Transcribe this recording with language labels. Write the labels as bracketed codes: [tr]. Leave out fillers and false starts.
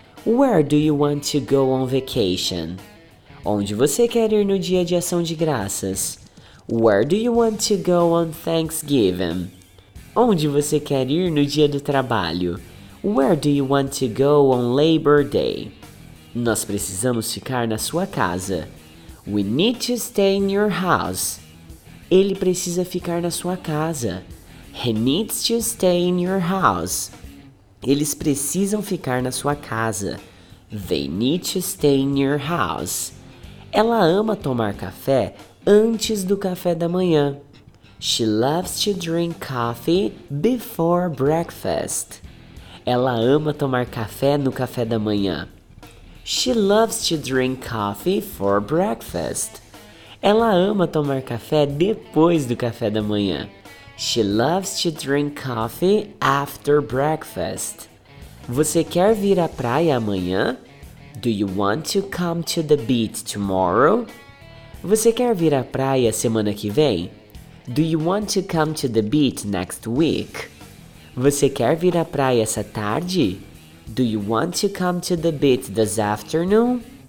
[en] Where do you want to go on vacation? [pt] Onde você quer ir no dia de ação de graças? [en] Where do you want to go on Thanksgiving? [pt] Onde você quer ir no dia do trabalho? [en] Where do you want to go on Labor Day? [pt] Nós precisamos ficar na sua casa. [en] We need to stay in your house. [pt] Ele precisa ficar na sua casa. [en] He needs to stay in your house. [pt] Eles precisam ficar na sua casa. [en] They need to stay in your house. [pt] Ela ama tomar café antes do café da manhã. [en] She loves to drink coffee before breakfast. [pt] Ela ama tomar café no café da manhã. [en] She loves to drink coffee for breakfast. [pt] Ela ama tomar café depois do café da manhã. [en] She loves to drink coffee after breakfast. [pt] Você quer vir à praia amanhã? [en] Do you want to come to the beach tomorrow? [pt] Você quer vir à praia semana que vem? [en] Do you want to come to the beach next week? [pt] Você quer vir à praia essa tarde? [en] Do you want to come to the beach this afternoon?